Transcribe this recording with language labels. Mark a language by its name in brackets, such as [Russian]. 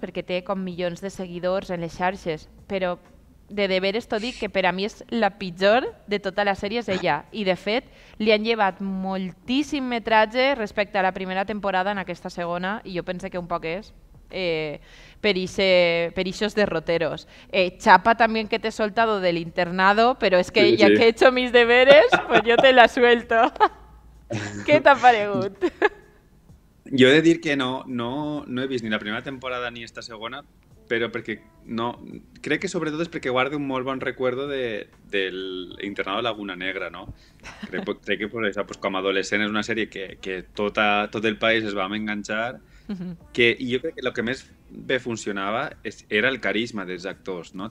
[Catalan] Perquè té com milions de seguidors en les xarxes, però [Spanish] de deberes [Catalan] t'ho dic que per a mi és la pitjor de tota la sèrie és ella i de fet li han llevat moltíssim metratge respecte a la primera temporada en aquesta segona i jo pense que un poc és per ixos derroteros. [Spanish] Chapa también que te he soltado del internado, pero es que sí, ya sí. Que he hecho mis deberes, pues yo te la suelto. [Catalan] Què t'ha paregut? Jo he de dir que no he vist ni la primera temporada ni esta segona, però perquè no... Crec que sobretot és perquè guardo un molt bon recuerdo del Internado Laguna Negra, no? Crec que pues, això, pues, com a adolescent és una sèrie que tot el país es va enganxar, que i jo crec que el que més bé funcionava era el carisma dels actors, no?